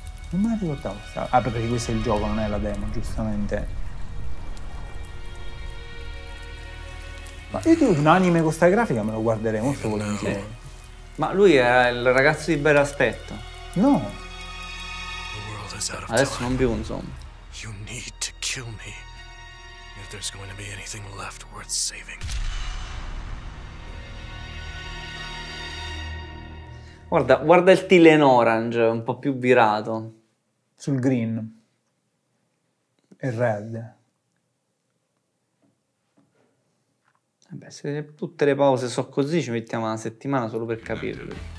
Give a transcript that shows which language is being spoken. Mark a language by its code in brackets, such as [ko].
[it] Non me la ricordavo. Ah, perché questo è il gioco, non è la demo, giustamente. Ma io un anime con sta grafica me lo guarderei molto volentieri. Ma lui è il ragazzo di bel aspetto. No. Adesso non più, insomma. [en] You need to kill me if there's going to be anything left worth saving. [it] Guarda, guarda il teal in orange, un po' più virato sul green e red. Beh, se tutte le pause so così, ci mettiamo una settimana solo per capirlo.